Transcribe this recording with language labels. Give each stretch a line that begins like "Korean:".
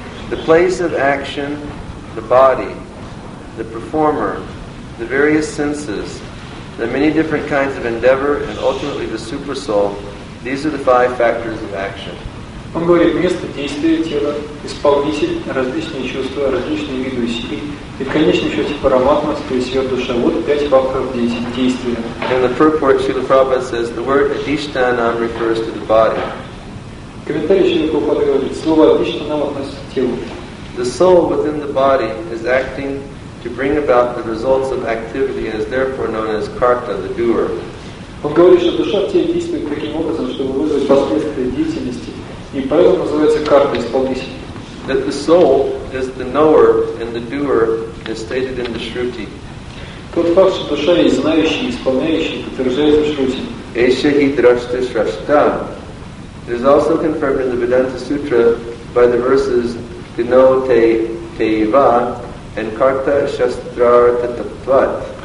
English: The place of action, the body, the performer, the various senses, the many different kinds of endeavor, and ultimately the super soul, these are the five factors of action.
Russian: Он говорит, место действия тела, исполнитель, различные чувства, различные виды усилий, и в конечном счете параматма, то есть ее душа. Вот пять факторов действия.
English: And the purport Srila Prabhupada says, the word adhishtanam refers to the body.
Russian: Комментарий Шрила Прабхупады говорит, слово адиштанам относится к телу.
English: The soul within the body is acting to bring about the results of activity and is therefore known as karta, the doer.
Russian: Он говорит, что душа в теле действует таким образом, чтобы вызвать последствия деятельности. И поэтому называется карта исполнитель.
English: That the soul is the knower and the doer is stated in the Shruti.
Russian: Тот факт, что душа есть знающий, исполняющий, подтверждается в Шрути.
Sanskrit: Эша хи драшта шрашта.
English: It is also confirmed in the Vedanta Sutra by the verses Dino te teiva and Karta shastra tatatvat.